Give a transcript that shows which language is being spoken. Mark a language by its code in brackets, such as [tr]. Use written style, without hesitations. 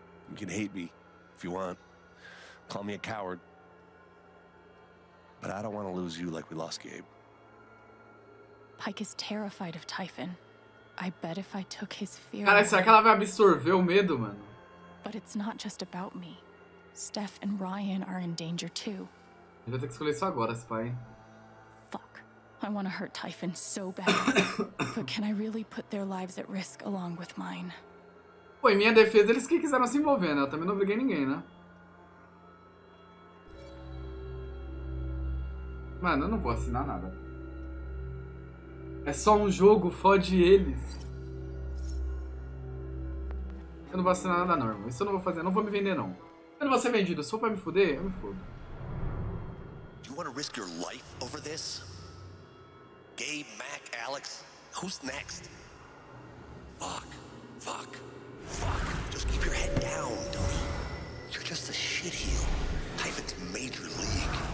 [en] You can hate me if you want. Call me a coward. But I don't want to lose you like we lost Gabe. Pike is terrified of Typhon. I bet if I took his fear. [pt] Cara, será que ela vai absorver o medo, mano? [en] But it's not just about me. Steph and Ryan are in danger too. [pt] Eu vou ter que escolher isso agora, Spy. [en] Fuck. I want to hurt Typhon so bad. But can I really put their lives at risk along with mine? [pt] Pô, em minha defesa, eles que quiseram se envolver, né? Eu também não obriguei ninguém, né? Mano, eu não vou assinar nada. É só um jogo, fode eles. Eu não vou assinar nada normal. Isso eu não vou fazer, eu não vou me vender, não. Eu não vou ser vendido. Se for pra me fuder, eu me fudo. [en] You want to risk your life over this? Gabe, Mac, Alex, who's next? Fuck, fuck, fuck. Just keep your head down, dummy. You're just a shitheel. Typhon's major league.